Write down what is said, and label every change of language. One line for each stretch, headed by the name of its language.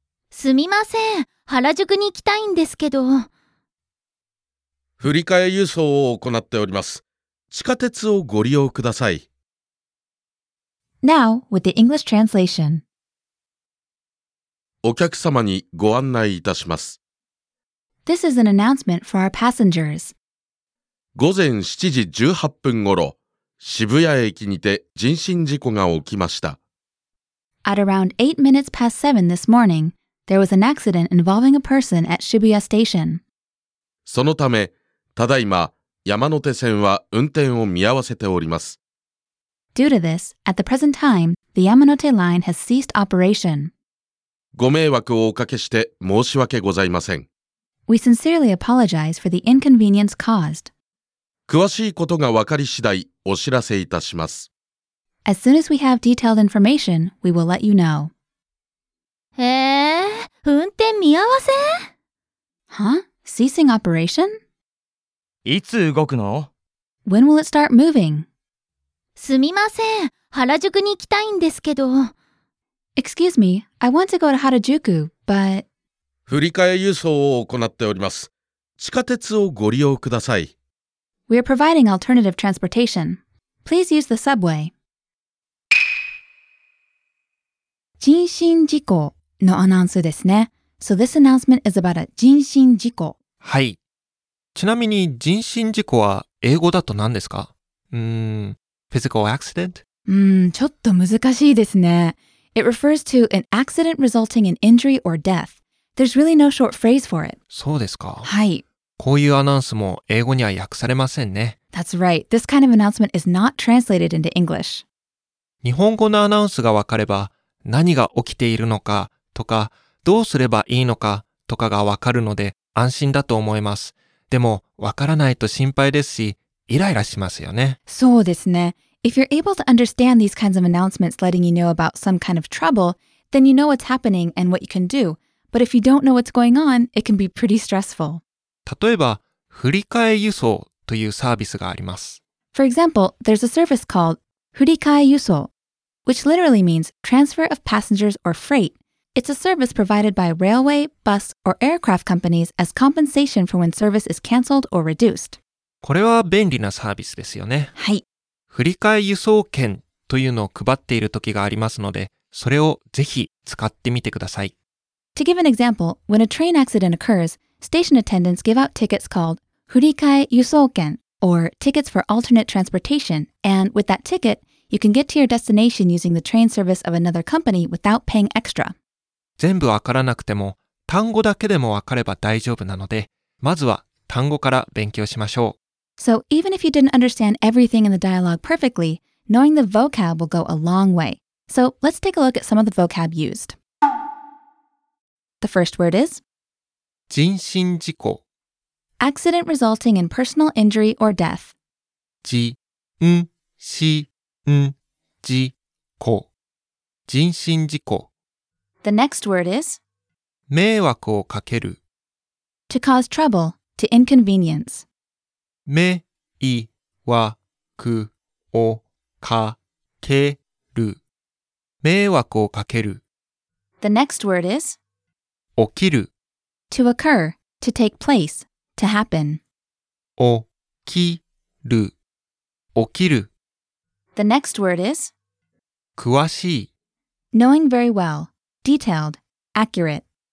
Japanese: すみません、原宿に行きたいんですけど。振り替え輸送を行っております。地下鉄をご利用ください。
English: Now, with the English translation.
Japanese: お客様にご案内いたします。
English: This is an announcement for our passengers.
Japanese: 午前7時18分ごろ、渋谷駅にて人身事故が起きました。
English: At around 8 minutes past 7 this morning,There was an accident involving a person at Shibuya Station.
Japanese: そのため、ただいま山手線は運転を見合わせております。
English: Due to this, at the present time, the Yamanote Line has ceased operation.
Japanese: ご迷惑をおかけして申し訳ございません。
English: We sincerely apologize for the inconvenience caused.
Japanese: 詳しいことが分かり次第お知らせいたします。
English: As soon as we have detailed information, we will let you know.
Japanese: 運転見合わせ?
English: Huh? Ceasing operation?
Japanese: いつ動くの?
English: When will it start moving?
Japanese: すみません、原宿に行きたいんですけど。
English: Excuse me, I want to go to Harajuku, but...
Japanese: 振り替え輸送を行っております。地下鉄をご利用ください。
English: We are providing alternative transportation. Please use the subway.
Japanese: 人身事故のアナウンスですね。
English: So this announcement is about a 人身事故。
Japanese: はい。ちなみに人身事故は英語だと何ですか?
English: physical accident?
Japanese: ちょっと難しいですね。
English: It refers to an accident resulting in injury or death. There's really no short phrase for it.
Japanese: そうですか。はい。こういうアナウンスも英語には訳されませんね。
English: That's right. This kind of announcement is not translated into English.
Japanese: 日本語のアナウンスがわかれば何が起きているのかとか、どうすればいいのかとかがわかるので安心だと思います。でも、わからないと心配ですし、イライラしますよね。そうですね。
English: If you're able to understand these kinds of announcements letting you know about some kind of trouble, then you know what's happening and what you can do. But if you don't know what's going on, it can be pretty stressful.
Japanese: 例えば、振り替え輸送というサービスがあります。
English: For example, there's a service called 振り替え輸送, which literally means transfer of passengers or freight. It's a service provided by railway, bus, or aircraft companies as compensation for when service is cancelled or reduced.
Japanese: これは便利なサービスですよね。はい。振り替え輸送券というのを配っている時がありますので、それをぜひ使ってみてください。
English: To give an example, when a train accident occurs, station attendants give out tickets called 振り替え輸送券 or tickets for alternate transportation, and with that ticket, you can get to your destination using the train service of another company without paying extra.
Japanese: 全部わからなくても、単語だけでもわかれば大丈夫なので、まずは単語から勉強しましょう。
English: So even if you didn't understand everything in the dialogue perfectly, knowing the vocab will go a long way. So let's take a look at some of the vocab used. The first word is
Japanese: 人身事故
English: Accident resulting in personal injury or death.
Japanese: 人身事故 人身事故
English: The next word is
Japanese: 迷惑をかける
English: To cause trouble, to inconvenience.
Japanese: 迷惑をかける迷惑をかける
English: The next word is
Japanese: 起きる
English: To occur, to take place, to happen
Japanese: 起きる起きる
English: The next word is
Japanese: 詳しい
English: Knowing very well, detailed, accurate